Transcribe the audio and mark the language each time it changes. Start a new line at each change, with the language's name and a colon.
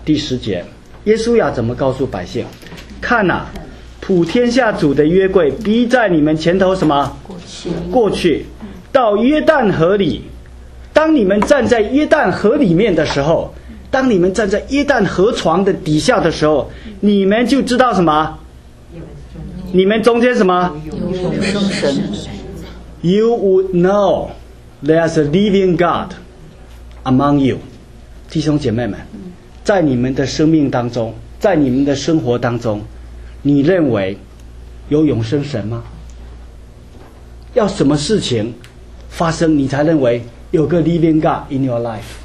Chinese: 第十节，耶稣亚怎么告诉百姓？看啊，普天下主的约柜逼在你们前头什么？过去，到约旦河里。当你们站在约旦河里面的时候，当你们站在约旦河床的底下的时候，你们就知道什么？你们中间什么？有永生神。
English: You would know there's a living God among you.
Chinese: 弟兄姐妹们，在你们的生命当中，在你们的生活当中，你认为有永生神吗？要什么事情发生你才认为有个
English: living God in your life？